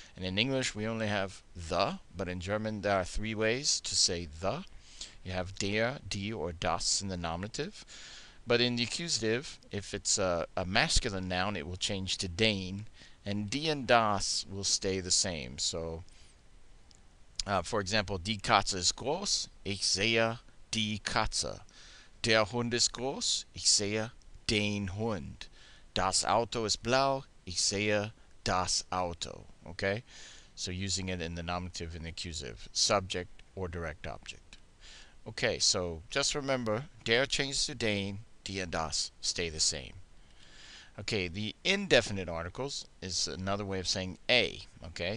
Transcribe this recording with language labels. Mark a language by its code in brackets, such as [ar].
[en] And in English, we only have the, but in German, there are three ways to say the. You have der, die, or das in the nominative. But in the accusative, if it's a masculine noun, it will change to den, and die and das will stay the same. So, for example, [de] die Katze ist groß, ich sehe die Katze. Der Hund ist groß, ich sehe den Hund. Das Auto ist blau, ich sehe das Auto, [en] okay? So using it in the nominative and the accusative, subject or direct object. Okay, so just remember, der changes to den, die and das stay the same. Okay, the indefinite articles is another way of saying a, okay?